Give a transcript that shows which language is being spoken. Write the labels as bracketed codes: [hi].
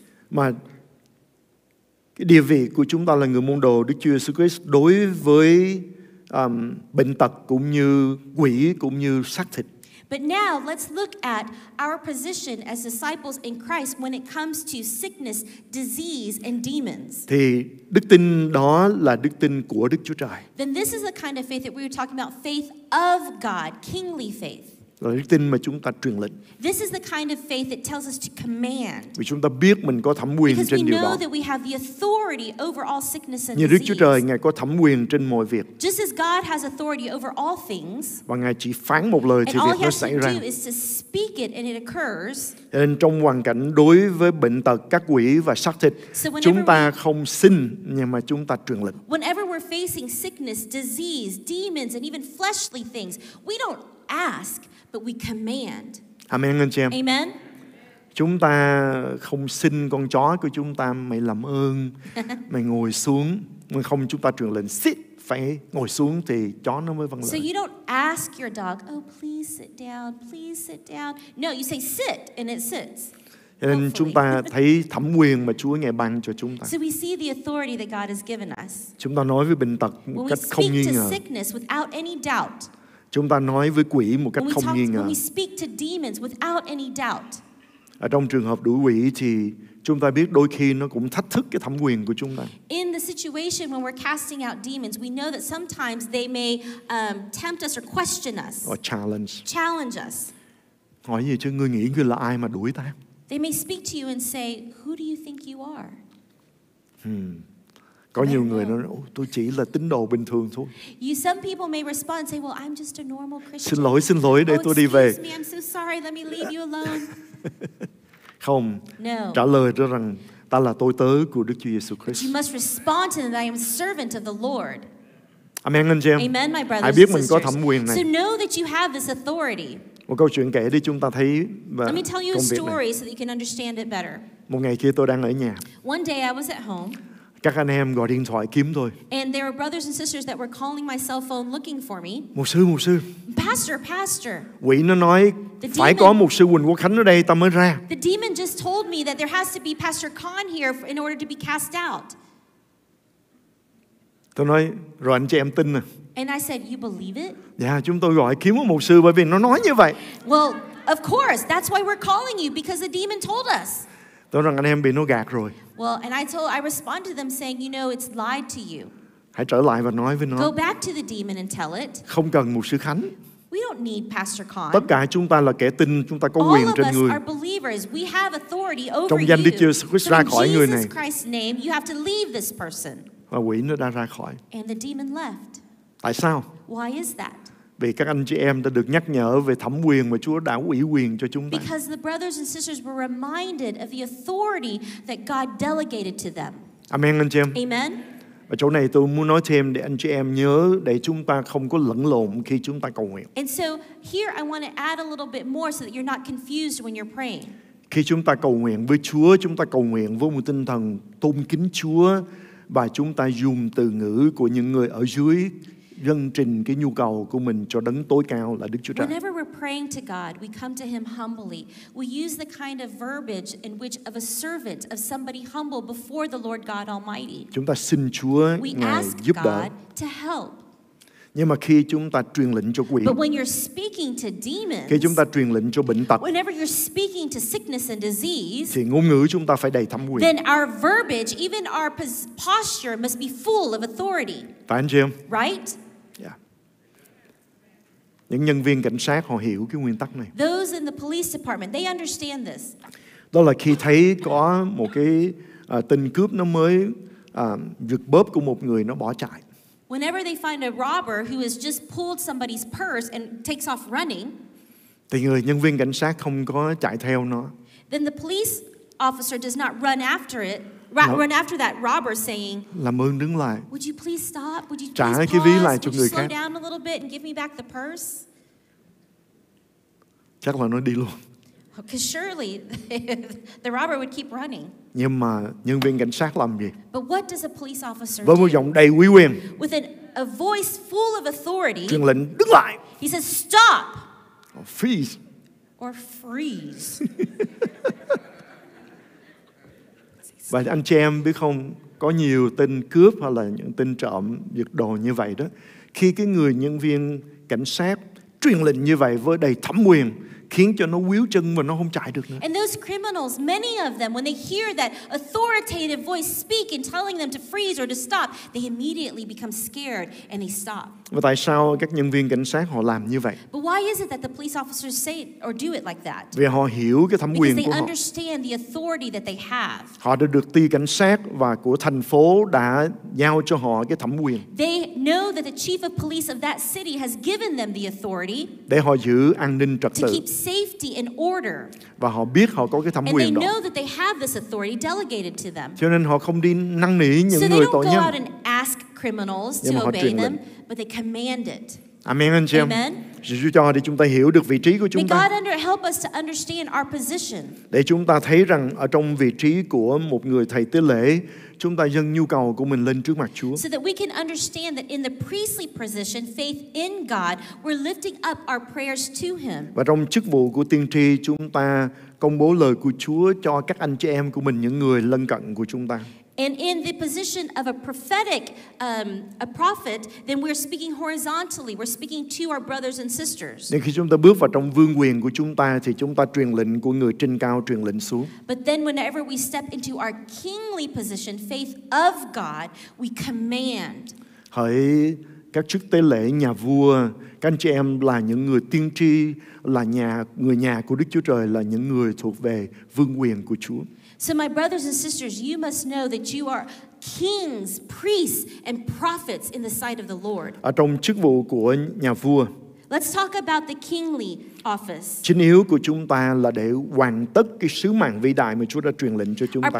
[vi] Mà cái địa vị của chúng ta là người môn đồ Đức Chúa Jesus Christ đối với bệnh tật cũng như quỷ cũng như xác thịt. [en] But now let's look at our position as disciples in Christ when it comes to sickness, disease, and demons. [vi] Thì đức tin đó là đức tin của Đức Chúa Trời. [en] Then this is the kind of faith that we were talking about, faith of God, kingly faith. [vi] Là đức tin mà chúng ta truyền lệnh. [en] This is the kind of faith that tells us to command. [vi] Vì chúng ta biết mình có thẩm quyền trên điều đó. [en] Because we know that we have the authority over all sickness and [vi] Như Đức Chúa Trời, Ngài có thẩm quyền trên mọi việc. [en] Just as God has authority over all things. [vi] Và Ngài chỉ phán một lời thì việc nó xảy ra. [en] And all he has to do is to speak it and it occurs. [vi] Nên trong hoàn cảnh đối với bệnh tật, các quỷ và xác thịt, chúng ta không xin nhưng mà chúng ta truyền lệnh. [en] Whenever we're facing sickness, disease, demons and even fleshly things, we don't ask. But we command. [vi] Amen, anh chị em. [en] Amen. [vi] Chúng ta không xin con chó của chúng ta mày làm ơn, mày ngồi xuống. Mà không, chúng ta truyền lệnh sit, phải ngồi xuống thì chó nó mới vâng lời. [en] So you don't ask your dog, oh please sit down. No, you say sit and it sits. [vi] Nên chúng ta thấy thẩm quyền mà Chúa ngài ban cho chúng ta. [en] So we see the authority that God has given us. [vi] Chúng ta nói với bệnh tật một cách không nghi ngờ. [en] To sickness without any doubt. [vi] Chúng ta nói với quỷ một cách không nghi ngờ. [en] When we speak to demons without any doubt. [vi] Ở trong trường hợp đuổi quỷ thì chúng ta biết đôi khi nó cũng thách thức cái thẩm quyền của chúng ta. [en] In the situation when we're casting out demons, we know that sometimes they may tempt us or question us. Or challenge us. [vi] Hỏi gì chứ, ngươi nghĩ ngươi là ai mà đuổi ta? [en] They may speak to you and say, "Who do you think you are?" [vi] Có nhiều người nói, tôi chỉ là tín đồ bình thường thôi. [en] You, some people may respond and say, "Well, I'm just a normal Christian." [vi] Xin lỗi, để tôi đi về. [en] Excuse me, I'm so sorry. Let me leave you alone. [vi] Không. [en] No. [vi] Trả lời cho rằng ta là tôi tớ của Đức Chúa Jesus Christ. [en] You must respond to them that I am servant of the Lord. [vi] Amen, anh chị em. [en] Amen, my brothers. [vi] Hãy biết mình có thẩm quyền này. [en] So know that you have this authority. [vi] Một câu chuyện kể đi chúng ta thấy và công việc này. [en] Let me tell you a story so that you can understand it better. [vi] Một ngày kia tôi đang ở nhà. [en] One day I was at home. [vi] Các anh em gọi điện thoại kiếm tôi. [en] And there were brothers and sisters that were calling my cell phone looking for me. [vi] Mục sư. [en] Pastor. [vi] Quỷ nó nói demon, phải có mục sư Huỳnh Quốc Khánh ở đây ta mới ra. [en] The demon just told me that there has to be Pastor Khan here in order to be cast out. [vi] Tôi nói, rồi anh chị em tin à? [en] And I said, you believe it? [vi] Dạ, chúng tôi gọi kiếm một mục sư bởi vì nó nói như vậy. [en] Well, of course, that's why we're calling you because the demon told us. [vi] Tôi rằng anh em bị nó gạt rồi. [en] Well, and I responded to them saying, you know, it's lied to you. [vi] Hãy trở lại và nói với nó. [en] Go back to the demon and tell it. [vi] Không cần mục sư Khánh. [en] We don't need Pastor Khan. [vi] Tất cả chúng ta là kẻ tin, chúng ta có [en] all [vi] quyền trên người. [en] All of us are believers. We have authority over you. [vi] Trong danh Đức Chúa Jesus Christ, ra khỏi người này. [en] In Jesus Christ's name, you have to leave this person. [vi] Và quỷ nó đã ra khỏi. [en] And the demon left. [vi] Tại sao? [en] Why is that? [vi] Vì các anh chị em đã được nhắc nhở về thẩm quyền mà Chúa đã ủy quyền cho chúng ta. [en] Because the brothers and sisters were reminded of the authority that God delegated to them. [vi] Amen, anh chị em. [en] Amen. [vi] Và chỗ này tôi muốn nói thêm để anh chị em nhớ để chúng ta không có lẫn lộn khi chúng ta cầu nguyện. [en] And so here I want to add a little bit more so that you're not confused when you're praying. [vi] Khi chúng ta cầu nguyện với Chúa, chúng ta cầu nguyện với một tinh thần tôn kính Chúa và chúng ta dùng từ ngữ của những người ở dưới dâng trình cái nhu cầu của mình cho đấng tối cao là Đức Chúa Trời. [en] Whenever we're praying to God, we come to Him humbly. We use the kind of verbiage in which of a servant, of somebody humble before the Lord God Almighty. [vi] Chúng ta xin Chúa Ngài giúp đỡ. [en] We ask God to help. [vi] Nhưng mà khi chúng ta truyền lệnh cho quỷ, [en] but when you're speaking to demons, [vi] khi chúng ta truyền lệnh cho bệnh tật, [en] whenever you're speaking to sickness and disease, [vi] thì ngôn ngữ chúng ta phải đầy thẩm quyền. [en] Then our verbiage, even our posture, must be full of authority. [vi] Phải anh chị em? [en] Right? [vi] Những nhân viên cảnh sát họ hiểu cái nguyên tắc này. [en] Those in the police department, they understand this. [vi] Đó là khi thấy có một cái tên cướp nó mới giật bóp của một người nó bỏ chạy. [en] Whenever they find a robber who has just pulled somebody's purse and takes off running, [vi] thì người nhân viên cảnh sát không có chạy theo nó. [en] Then the police officer does not run after it. Run after that robber saying, [vi] làm ơn đứng lại. [en] Would you please stop? Would you [vi] trả [en] please [vi] cái ví lại cho người [en] khác. Slow down a little bit and give me back the purse. [vi] Chắc là nó đi luôn. [en] Because surely the robber would keep running. [vi] Nhưng mà nhân viên cảnh sát làm gì? [en] But what does a police officer [vi] với một giọng đầy uy quyền. [en] With a voice full of authority. [vi] Truyền lệnh đứng lại. [en] He says stop. Or freeze. Or freeze. [vi] Và anh chị em biết không, có nhiều tên cướp hoặc là những tên trộm giật đồ như vậy đó. Khi cái người nhân viên cảnh sát truyền lệnh như vậy với đầy thẩm quyền, khiến cho nó quíu chân và nó không chạy được nữa. [en] And those criminals, many of them, when they hear that authoritative voice speak and telling them to freeze or to stop, they immediately become scared and they stop. [vi] Và tại sao các nhân viên cảnh sát họ làm như vậy? [en] But why is it that the police officers say it or do it like that? [vi] Vì họ hiểu cái thẩm quyền của họ. [en] Because they understand the authority that they have. [vi] Họ đã được ty cảnh sát và của thành phố đã giao cho họ cái thẩm quyền. [en] They know that the chief of police of that city has given them the authority. [vi] Để họ giữ an ninh trật tự. [en] Safety and order. [vi] Và họ biết họ có cái thẩm quyền đó. [en] And they know that they have this authority delegated to them. [vi] Cho nên họ không đi năn nỉ những [en] so [vi] người tội nhân. [en] So they don't go out and ask criminals to obey them, [vi] lệnh. [en] But they command it. [vi] Amen, anh chị em. [en] Amen. [vi] Chúa cho để chúng ta hiểu được vị trí của chúng ta. [en] May God help us to understand our position. [vi] Để chúng ta thấy rằng ở trong vị trí của một người thầy tế lễ, chúng ta dâng nhu cầu của mình lên trước mặt Chúa. [en] So that we can understand that in the priestly position, faith in God, we're lifting up our prayers to Him. [vi] Và trong chức vụ của tiên tri, chúng ta công bố lời của Chúa cho các anh chị em của mình, những người lân cận của chúng ta. [en] And in the position of a prophetic, a prophet, then we're speaking horizontally. We're speaking to our brothers and sisters. [vi] Nên khi chúng ta bước vào trong vương quyền của chúng ta, thì chúng ta truyền lệnh của người trên cao truyền lệnh xuống. [en] But then whenever we step into our kingly position, faith of God, we command. [vi] Hỡi các chức tế lễ nhà vua, các anh chị em là những người tiên tri, là người nhà của Đức Chúa Trời, là những người thuộc về vương quyền của Chúa. [en] So my brothers and sisters, you must know that you are kings, priests, and prophets in the sight of the Lord. [vi] Ở trong chức vụ của nhà vua. [en] Let's talk about the kingly office. [vi] Chính yếu của chúng ta là để hoàn tất cái sứ mạng vĩ đại mà Chúa đã truyền lệnh cho chúng ta.